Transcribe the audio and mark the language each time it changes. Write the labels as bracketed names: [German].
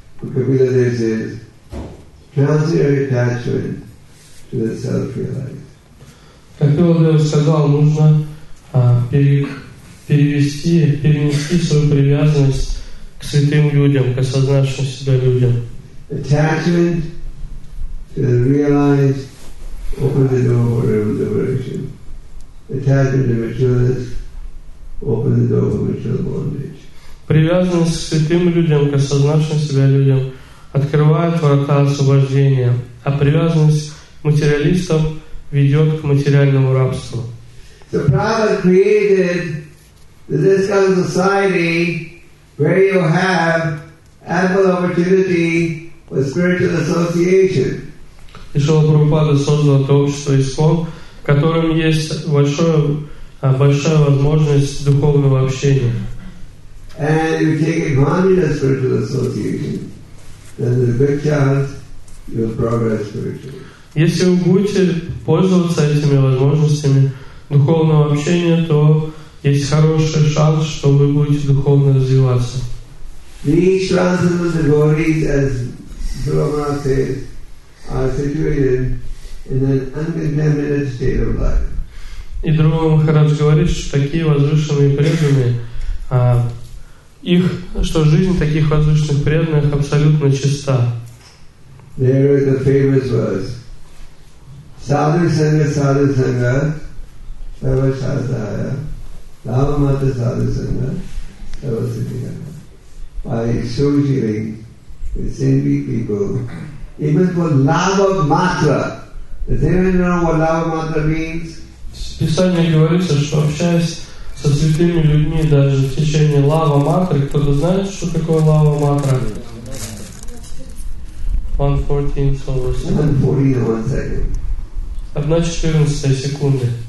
[Russian] Капила Дева сказал, нужно перенести свою привязанность к святым людям, к осознавшим себя людям. [English] Attachment to the realized opens the door for real liberation. Attachment to materialness opens the door for material bondage. [Russian] Привязанность к святым людям, к осознавшим себя людям, открывает врата освобождения, а привязанность к материалистам ведет к материальному рабству. [English] So Prabhupada created this kind of society where you have ample opportunity for spiritual association. [Russian] И Шрила Прабхупада создал это общество ИСКОН, в котором есть большая возможность духовного общения. [English] And if you take advantage of spiritual association, then there's a good chance you'll progress spiritually. [Russian] Если вы будете пользоваться этими возможностями духовного общения, то есть хороший шанс, что вы будете духовно развиваться. [English] These transcendental devotees, as Brahma says, are situated in an uncontaminated state of life. [Russian] И другой Махарадж говорит, что такие возвышенные преданные, их, что жизнь таких возвышенных преданных абсолютно чиста. [English] There is a famous verse. [Sanskrit] Sadhu Sangha, Sadhu Sangha, Sava Shasaya, Lava Mata Sadhu Sangha, Sava Siddhya. [English] By associating with saintly people, even for Lava Mata. Does anyone know what Lava Mata means? [Russian] Писание говорится, что общаясь со святыми людьми даже в течение лава-матры, кто-то знает, что такое лава-матра? 1:14 секунды.